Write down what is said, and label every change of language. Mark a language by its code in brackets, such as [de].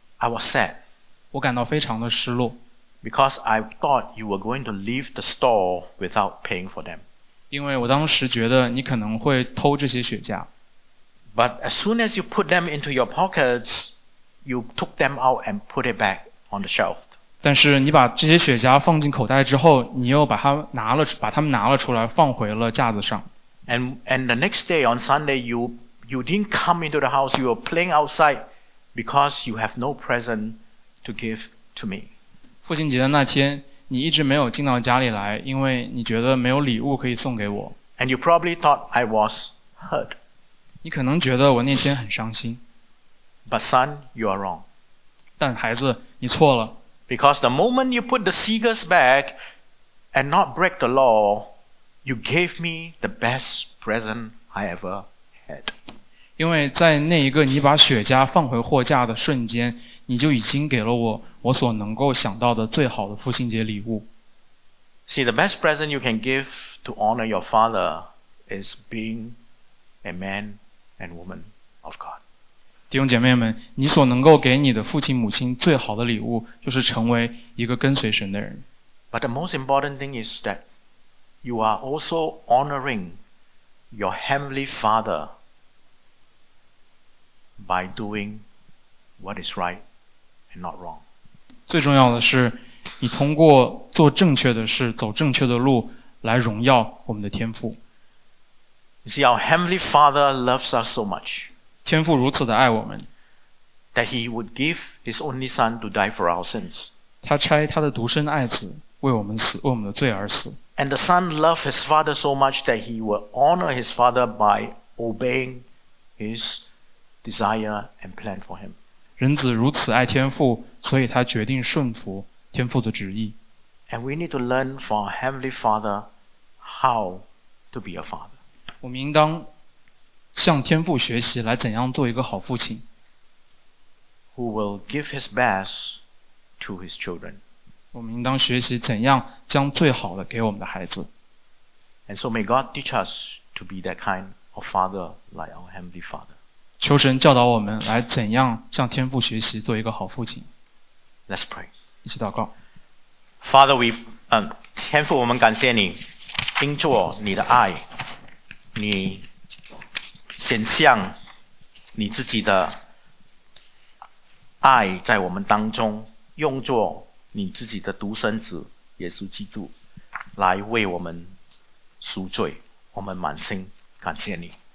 [en] I was sad. [zh] 我感到非常的失落。 [en] Because I thought you were going to leave the store without paying for them. [zh] 因为我当时觉得你可能会偷这些雪茄。 [en] But as soon as you put them into your pockets, you took them out and put it back on the shelf. [zh] 但是你把这些雪茄放进口袋之后，你又把它们拿了出来，放回了架子上。 [en] And the next day on Sunday, you didn't come into the house. You were playing outside. Because you have no present to give to me. [zh] 父亲节的那天，你一直没有进到家里来，因为你觉得没有礼物可以送给我。 [en] And you probably thought I was hurt. [zh] 你可能觉得我那天很伤心。 [en] But son, you are wrong. [zh] 但孩子，你错了。 [en] Because the moment you put the cigars back and not break the law, you gave me the best present I ever had. [zh] 因为在那一个你把雪茄放回货架的瞬间，你就已经给了我所能够想到的最好的父亲节礼物。 [en] See, the best present you can give to honor your father is being a man and woman of God. [zh] 弟兄姐妹们，你所能够给你的父亲母亲最好的礼物，就是成为一个跟随神的人。 [en] But the most important thing is that you are also honoring your heavenly father. By doing what is right and not wrong. [zh] 最重要的是，你通过做正确的事，走正确的路，来荣耀我们的天父。 [en] You see, our Heavenly Father loves us so much. [zh] 天父如此的爱我们。 [en] That He would give His only Son to die for our sins. [zh] 他差他的独生爱子为我们的罪而死。 [en] And the Son loved His Father so much that He would honor His Father by obeying His. Desire and plan for him. [zh] 人子如此爱天父，所以他决定顺服天父的旨意。 [en] And we need to learn from our Heavenly Father how to be a father. [zh] 我们应当向天父学习来怎样做一个好父亲。 [en] Who will give his best to his children. [zh] 我们应当学习怎样将最好的给我们的孩子。 [en] And so may God teach us to be that kind of father like our Heavenly Father. [zh] 求神教导我们来怎样向天父学习做一个好父亲。 [en] Let's pray. [zh] 一起祷告。 [en] Father, we, [zh] 天父，我们感谢你，因着你的爱，你显向你自己的爱在我们当中，用着你自己的独生子耶稣基督来为我们赎罪，我们满心感谢你。